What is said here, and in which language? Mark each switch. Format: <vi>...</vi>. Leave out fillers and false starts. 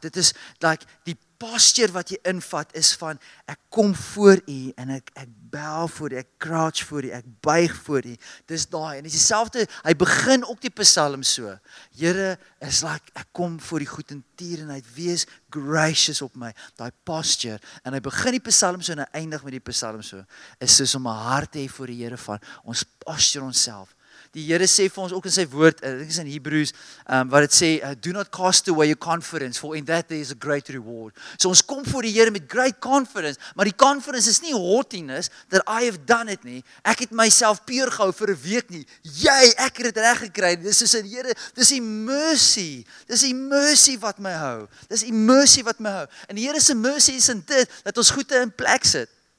<af>Dit is like die posture wat jy invat is van ek kom voor u en ek bel voor u, ek crouch voor u, ek buig voor u. Dis daai en dis dieselfde, hy begin ook die psalm so. Here is like ek kom voor die goedertierenheid, wees gracious op my. Daai posture en hy begin die psalm so en hy eindig met die psalm so is soos om 'n hart te hê voor die Here van ons posture onsself. Die Here sê vir ons ook in sy woord, dit is in Hebreërs, wat het sê,</af> <en>do not cast away your confidence, for in that there is a great reward.</en> <af>So ons kom voor die Here met great confidence, maar die confidence is nie haughtiness,</af> <en>that I have done it</en> <af>nie, ek het myself pure gehou vir 'n week nie, jy, ek het reg gekry, dis soos in Here, dis die mercy wat my hou, dis die mercy wat my hou, en die Here se mercy is in dit, dat ons goede in plek sit.</af>